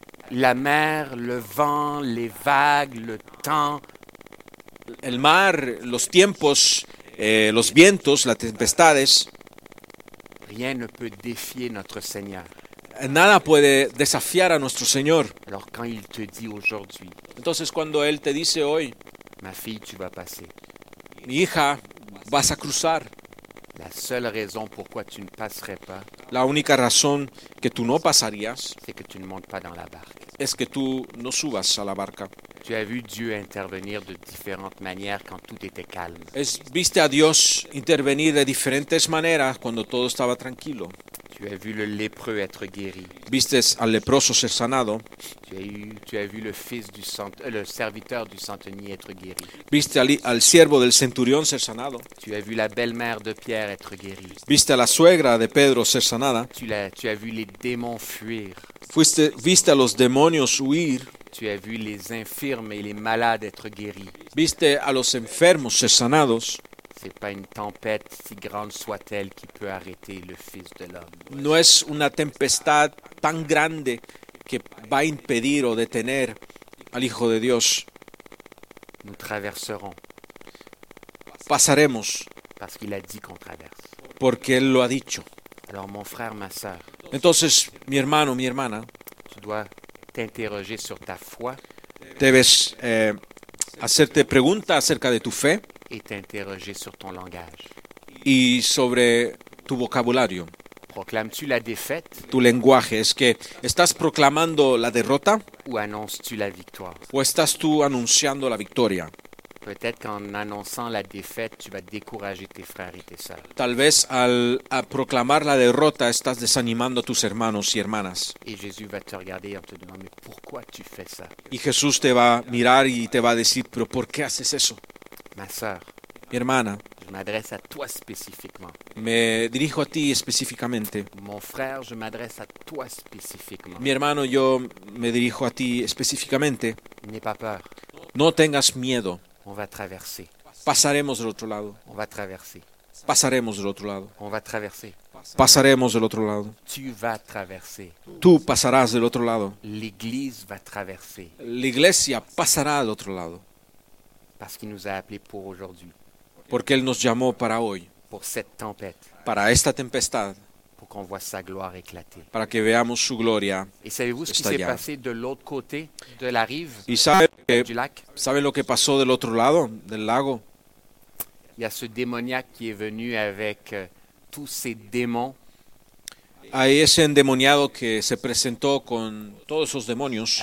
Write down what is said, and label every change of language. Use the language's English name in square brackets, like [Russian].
[French] La mer, le vent, les vagues, le temps. [Spanish] El mar, los tiempos, los vientos, las tempestades. [French] Rien ne peut défier notre Seigneur. [Spanish] Nada puede desafiar a nuestro Señor. [French] Alors, quand il te dit aujourd'hui, [Spanish] entonces cuando Él te dice hoy, [French] ma fille, tu vas passer. [Spanish] Mi hija, vas a cruzar. [French] La seule raison pourquoi tu ne passerais pas, [Spanish] la única razón que tú no pasarías, [French] c'est que tu ne montes pas dans la barque. [Spanish] Es que tú no subas a la barca. [French] Tu as vu Dieu intervenir de différentes manières quand tout était calme. [Spanish] Viste a Dios intervenir de diferentes maneras cuando todo estaba tranquilo. [French] Tu as vu le lépreux être guéri. [Spanish] Viste al leproso ser sanado. [French] Tu as vu le fils du le serviteur du centenier être guéri. [Spanish] Viste al siervo del centurión ser sanado. [French] Tu as vu la belle-mère de Pierre être guérie. [Spanish] Viste a la suegra de Pedro ser sanada. [French] Tu as vu les démons fuir. [Spanish] Viste a los demonios huir. [French] Tu as vu les infirmes et les malades être guéris. [Spanish] Viste a los enfermos ser sanados. [French] C'est pas une tempête si grande soit-elle qui peut arrêter le fils de l'homme. [Spanish] No es una tempestad tan grande que va a impedir o detener al hijo de Dios. [French] Nous traverserons. [Spanish] Pasaremos. [French] Parce qu'il a dit qu'on traverse. [Spanish] Porque él lo ha dicho. [French] Alors mon frère, ma sœur. [Spanish] Entonces, mi hermano, mi hermana. [French] Tu dois t'interroger sur ta foi. [Spanish] Debes hacerte preguntas acerca de tu fe. [French] Et t'interroger sur ton langage. [Spanish] Y sobre tu vocabulario. [French] Proclames-tu la défaite? [Spanish] Tu lenguaje, es que estás proclamando la derrota? [French] Ou annonces-tu la victoire? [Spanish] O estás tú anunciando la victoria? [French] Peut-être qu'en annonçant la défaite, tu vas décourager tes frères et tes sœurs. [Spanish] Tal vez al proclamar la derrota estás desanimando a tus hermanos y hermanas. [French] Et Jésus va te regarder en te demandant, mais pourquoi tu fais ça? [Spanish] Y Jesús te va a mirar y te va a decir, pero ¿por qué haces eso? [French] Ma sœur, [Spanish] mi hermana, [French] je m'adresse à toi spécifiquement. [Spanish] Me dirijo a ti específicamente. [French] Mon frère, je m'adresse à toi spécifiquement. [Spanish] Mi hermano, yo me dirijo a ti específicamente. [French] N'aie pas peur. [Spanish] No tengas miedo. [French] On va traverser. [Spanish] Pasaremos del otro lado. [French] On va traverser. [Spanish] Pasaremos del otro lado. [French] On va traverser. [Spanish] Pasaremos del otro lado. [French] Tu vas traverser. [Spanish] Tú pasarás del otro lado. [French] L'église va traverser. [Spanish] La iglesia pasará del otro lado. [French] Parce qu'il nous a appelés pour aujourd'hui. [Spanish] Porque él nos llamó para hoy. [French] Pour cette tempête. [Spanish] Para esta tempestad. [French] Pour qu'on voit sa gloire éclater. [Spanish] Para que veamos su gloria. [French] Et savez-vous ce qui s'est passé de l'autre côté de la rive du lac? [Spanish] ¿Saben lo que pasó del otro lado del lago? [French] Y a ce démoniaque qui est venu avec tous ses démons. [Spanish] Hay ese endemoniado que se presentó con todos esos demonios.